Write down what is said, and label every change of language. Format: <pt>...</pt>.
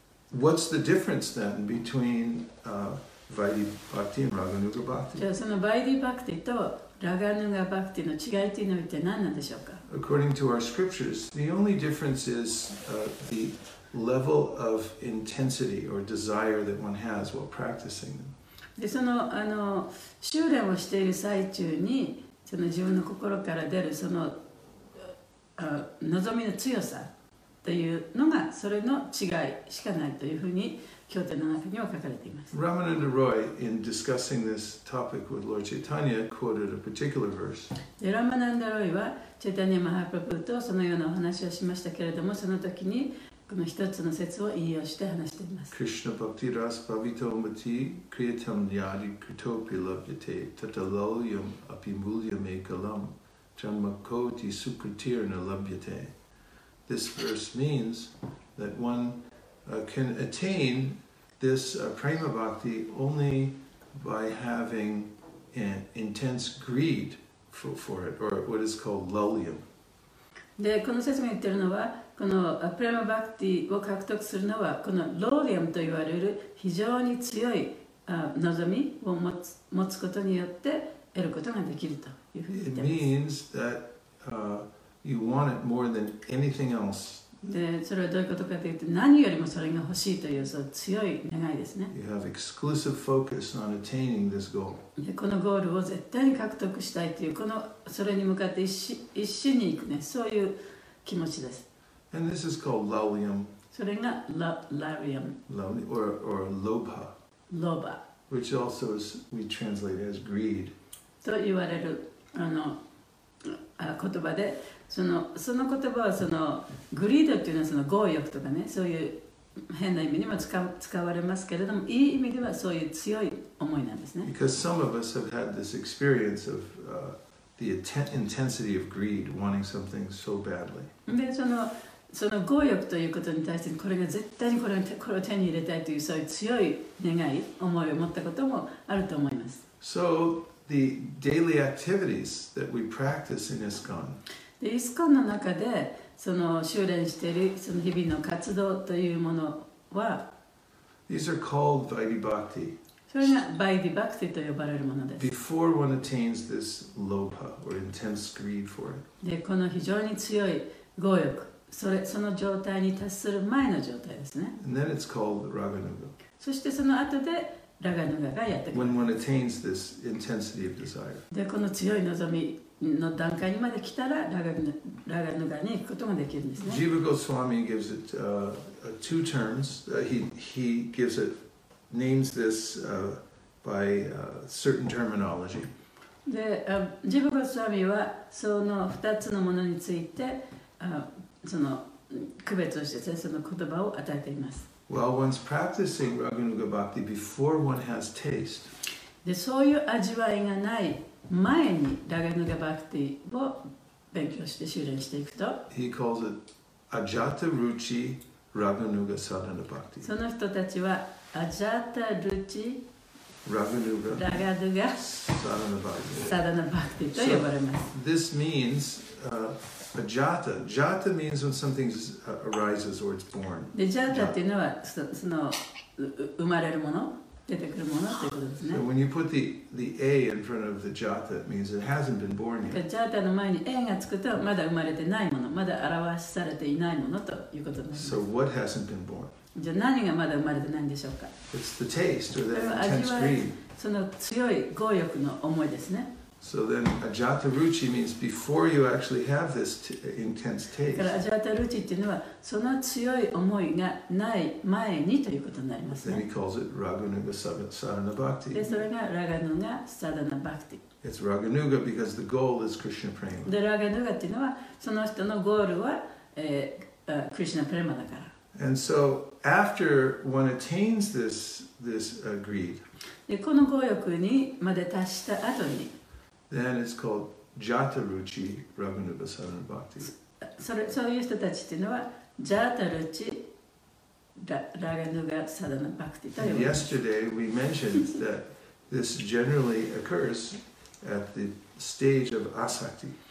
<en>what's the difference then between Vaidhi Bhakti and Raganuga Bhakti?</en> <ja>じゃあその Vaidhi Bhakti と Raganuga Bhakti の違いというのは一体何なんでしょうか?</ja> <en>According to our scriptures, the only difference is the level of intensity or desire that one has while practicing them.</en> <ja>で、その、修練をしている最中に、その自分の心から出るその望みの強さ、というのがそれの違いしかないというふうに経典の中には書かれています。</ja> <en>Ramananda Roy in discussing this topic with Lord Chaitanya quoted a particular verse.</en> <ja>でラマナンダロイはチェタニアマハプラプーとそのようなお話をしましたけれども、その時にこの一つの説を引用して話しています。</ja> <sa>Krishna Bhakti Ras Bhavito Mati Kriyatam Yadi Kritopi Labhyate Tataloyam Apimulyam Ekalam Janmakoti Sukritirna Labhyate.</sa> <en>This verse means that one can attain this prema bhakti only by having an intense greed for it, or what is called lalyam.</en> <ja>で、この説明言ってるのは、このプレマバクティを獲得するのは、このローリアムと言われる非常に強い望みを持つことによって得ることができるというふうに言ってます。</ja> <en>It means that you want it more than anything else.</en> <ja>で、それはどういうことかというと、何よりもそれが欲しいというその強い願いですね。</ja> <en>You have exclusive focus on attaining this goal.</en> <ja>で、このゴールを絶対に獲得したいという、このそれに向かって一心に行くね、そういう気持ちです。</ja> <en>And this is called lalyam.</en> <ja>それが lalyam.</ja> <en>Or lobha.</en> <sa>Lobha.</sa> <en>Which also is we translate as greed.</en> <ja>と言われるあの言葉で、その言葉はその greed というのはその強欲とかね、そういう変な意味にも使われますけれども、いい意味ではそういう強い思いなんですね。</ja> <en>Because some of us have had this experience of the intensity of greed, wanting something so badly.</en> <ja>でその強欲ということに対して、これが絶対にこれを手に入れたいというそういう強い願い思いを持ったこともあると思います。</ja> <en>So the daily activities that we practice in ISKCON、</en> <ja>ISKCON の中でその修練しているその日々の活動というものは、</ja> <en>These are called Vaidhi Bhakti。</en> <ja>それが Vaidhi Bhakti と呼ばれるものです。</ja> <en>Before one attains this lobha or intense greed for it。</en> <ja>でこの非常に強い強欲、その状態に達する前の状態ですね。</ja> <en>And then it's called Raganuga.</en> <ja>そしてその後でラガヌガがやってくる。</ja> <en>When one attains this intensity of desire.</en> <ja>で、この強い望みの段階にまで来たらラガヌガに行くことができるんですね。</ja> <en>Jiva Goswami gives it two terms. He gives it, names this by certain terminology.</en> <ja>で、Jiva Goswami はその2つのものについて、その区別をしてその言葉を与えています。</ja> <en>Well, one's practicing Raganuga Bhakti before one has taste.</en> <ja>で、そういう味わいがない前にRaganuga Bhaktiを勉強して修練していくと、</ja> <en>He calls it Ajata Ruchi Raganuga Sadhana Bhakti.</en> <ja>その人たちはAjata Ruchi</ja> <sa>Raganuga</sa> <ja>Sadhana Bhakti と呼ばれます。</ja> <en>So this meansAjata. Jata means when something arises or it's born.</en> <ja>で、Jata っていうのはその生まれるもの、出てくるものっていうことですね。</ja> <en>So when you put the A in front of the Jata, it means it hasn't been born yet.</en> <ja>Jata の前に A がつくと、まだ生まれてないもの、まだ表されていないものということになります。</ja> <en>So what hasn't been born?</en> <ja>じゃあ何がまだ生まれてないんでしょうか?</ja> <en>It's the taste or the intense greed.</en> <ja>その強い強欲の思いですね。</ja> <en>So then, ajata ruchi means before you actually have this intense taste.</en> <ja>だから ajata ruchi っていうのはその強い思いがない前にということになりますね。</ja> <en>Then he calls it raganuga sadhana bhakti.</en> <ja>で、それが raganuga sadhana bhakti.</ja> <en>It's raganuga because the goal is Krishna prema.</en> <ja>で、raganuga っていうのはその人のゴールは、Krishna prema だから。</ja> <en>And so after one attains this greed.</en> <ja>で、この強欲にまで達した後に。</ja> <en>Then it's called Jata Ruchi Raganuga Sadhana Bhakti.</en> <ja>そういう人たちっていうのは Jata Ruchi Raganuga Sadhana Bhakti と呼ばれます。</ja> <en>Yesterday we mentioned that this generally occurs at the stage of Asakti.</en>